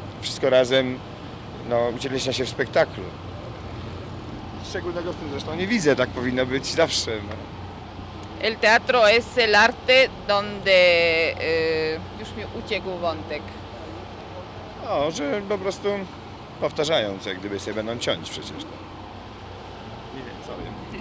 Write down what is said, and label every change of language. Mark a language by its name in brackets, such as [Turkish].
[Polish] Wszystko razem no, ucieleśnia się w spektaklu. Szczególnego w tym zresztą nie widzę, tak powinno być zawsze. [Spanish] El teatro es el arte donde... [Polish] Już mi uciekł wątek. No, że po prostu powtarzając, jak gdyby sobie będą ciąć przecież. Nie wiem, co wiem.